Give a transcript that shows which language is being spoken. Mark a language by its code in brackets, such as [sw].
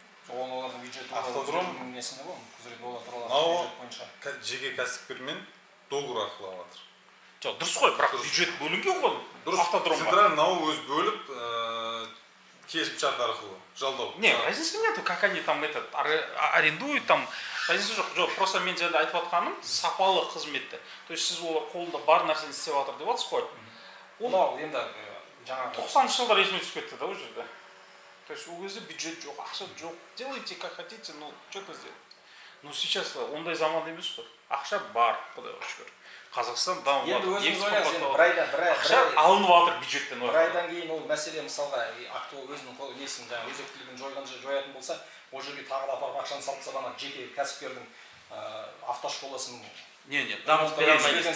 [kk] Оған олар бюджет автодром несіне ба? Құзыретін олар туралы бюджет бойынша. Жеке кәсіпкермен договор арқылы алып отыр. Жоқ, дұрыс қой, бірақ бюджет бөлінген ғой. Дұрыс. Автодром ба? Мынау өз бөліп, келісімшарт арқылы жалдау. [ru] Не, разницы нет, как они там этот арендуют там. Разницы [kk] жоқ. Жоқ, просто мен жаңа айтып отқаным сапалы қызметті. То есть сіз олар қолында бар нәрсені істеп отыр деп отырсыз ғой. Мынау енді жаңа 90-шы жылдар есіме түсіп кетті да ол жерде. То есть ол кезде бюджет жоқ, ақша жоқ. [ru] Делайте как хотите, но что-то сделайте. Но сейчас [kk] ондай заман емес қой. Ақша бар, Құдайға шүкір. Қазақстан дамып жатыр. Енді өзіңіз ойлаңыз, енді бір айдан бір ай. Ақша алынып жатыр бюджеттен. Бір айдан кейін ол мәселе мысалға ақтау өзінің қол несін жаңағы өзектілігін жоятын болса, ол жерге тағы да апарып ақшаны салып тастап, ана жеке кәсіпкердің автошколасын. Не-не, дамып бермейді.